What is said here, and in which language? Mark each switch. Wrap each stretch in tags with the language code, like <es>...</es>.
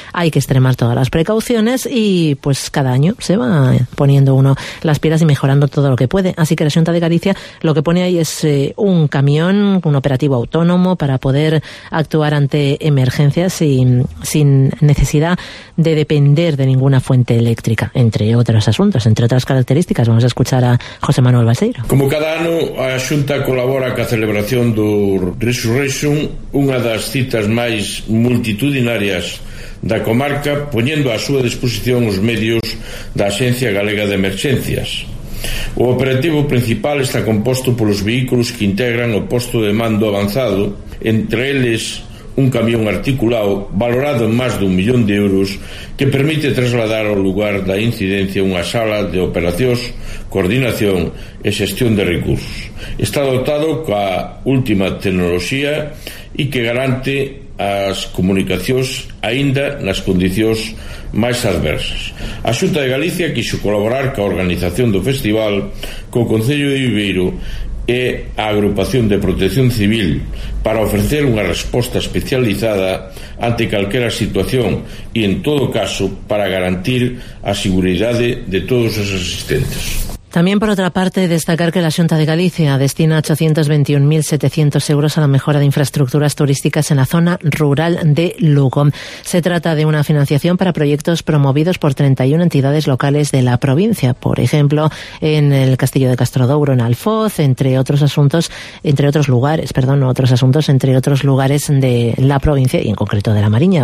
<es>Hay que extremar todas las precauciones y, pues, cada año se va poniendo uno las pilas y mejorando todo lo que puede. Así que la Xunta de Galicia lo lo que pone ahí es un camión, un operativo autónomo para poder actuar ante emergencias sin necesidad de depender de ninguna fuente eléctrica, entre otros asuntos, entre otras características. Vamos a escuchar a José Manuel Balseiro.</es> <gl>Como cada ano, a Xunta colabora ca celebración do Resurrection, unha das citas máis multitudinarias da comarca, poñendo á súa disposición os medios da Axencia Galega de Emerxencias. O operativo principal está composto polos vehículos que integran o posto de mando avanzado, entre eles un camión articulado valorado en máis dun millón de euros que permite trasladar ao lugar da incidencia unha sala de operacións, coordinación e xestión de recursos. Está dotado coa última tecnoloxía e que garante as comunicacións aínda nas condicións máis adversas. A Xunta de Galicia quixo colaborar coa organización do festival co Concello de Viveiro e a Agrupación de Protección Civil para ofrecer unha resposta especializada ante calquera situación e, en todo caso, para garantir a seguridade de todos os asistentes.</gl> <es>También, por otra parte, destacar que la Xunta de Galicia destina 821.700 euros a la mejora de infraestructuras turísticas en la zona rural de Lugo. Se trata de una financiación para proyectos promovidos por 31 entidades locales de la provincia, por ejemplo, en el Castillo de Castrodouro, en Alfoz, entre otros lugares de la provincia y, en concreto, de la Mariña.</es>